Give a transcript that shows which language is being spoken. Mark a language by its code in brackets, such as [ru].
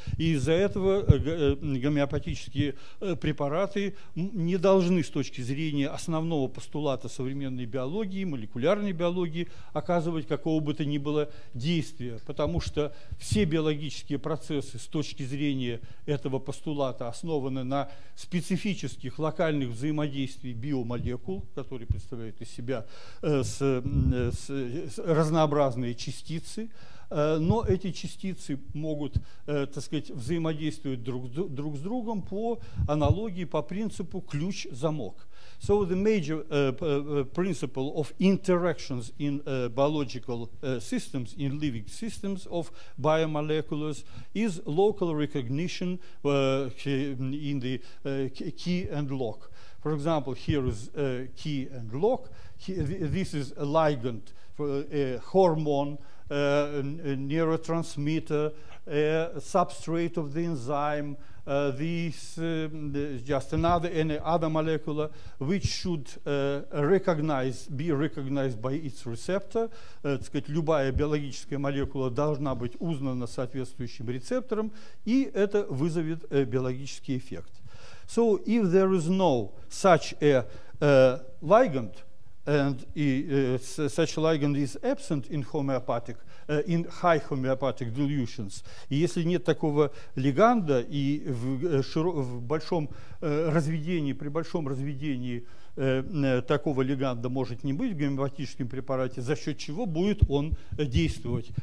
[ru] Из-за этого гомеопатические препараты не должны с точки зрения основного постулата современной биологии, молекулярной биологии, оказывать какого бы то ни было действия, потому что все биологические процессы с точки зрения этого постулата основаны на специфических локальных взаимодействиях биомолекул, которые представляют из себя разнообразные частицы, но эти частицы могут, так сказать, взаимодействовать друг с другом по аналогии, по принципу ключ-замок. [en] So the major principle of interactions in biological systems, in living systems of biomolecules, is local recognition in the key and lock. For example, here is key and lock. This is a ligand, a hormone, a neurotransmitter, a substrate of the enzyme. This is just another molecule which should be recognized by its receptor. [ru] Любая биологическая молекула должна быть узнана соответствующим рецептором, и это вызовет биологический эффект. [en] So if there is no such a ligand, and such a ligand is absent in homeopathic, in high homeopathic dilutions. [ru] И если нет такого лиганда и в большом разведении, при большом разведении такого лиганда может не быть в гомеопатическом препарате, за счет чего будет он действовать?